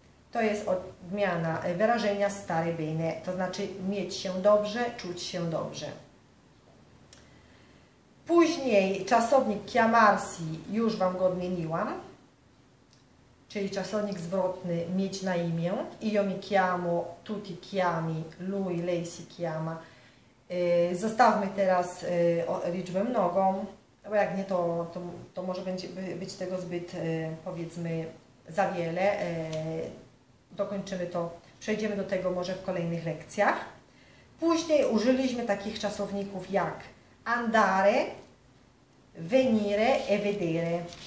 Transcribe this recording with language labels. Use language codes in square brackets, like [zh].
[pl] To jest odmiana wyrażenia stare bene, to znaczy mieć się dobrze, czuć się dobrze. Później czasownik chiamarsi już Wam go odmieniłam, czyli czasownik zwrotny mieć na imię. [it] Io mi chiamo, tu ti chiami, lui, lei si chiama. [pl] Zostawmy teraz liczbę mnogą, bo jak nie, to może być tego zbyt, powiedzmy, za wiele. Dokończymy to, przejdziemy do tego może w kolejnych lekcjach. Później użyliśmy takich czasowników jak andare, venire e vedere.